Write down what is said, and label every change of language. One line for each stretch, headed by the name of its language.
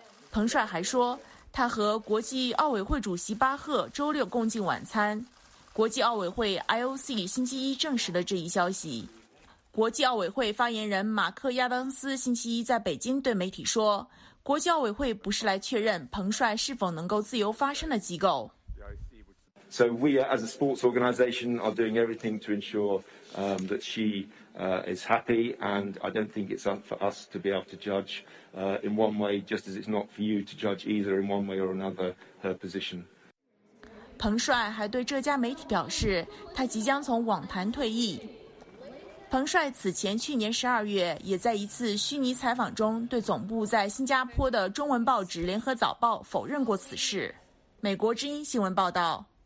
Chinese: 彭帅还说，他和国际奥委会主席巴赫周六共进晚餐。国际奥委会 IOC 星期一证实了这一消息。国际奥委会发言人马克·亚当斯星期一在北京对媒体说，国际奥委会不是来确认彭帅是否能够自由发声的机构。
English: So we as a sports organization are doing everything to ensure that she is happy, and I don't think it's up for us to be able to judge in one way, just as it's not for you to judge either in one way or another her position.
Chinese: 彭帅还对这家媒体表示，他即将从网坛退役。彭帅此前去年12月也在一次虚拟采访中对总部在新加坡的中文报纸《联合早报》否认过此事。美国之音新闻报道。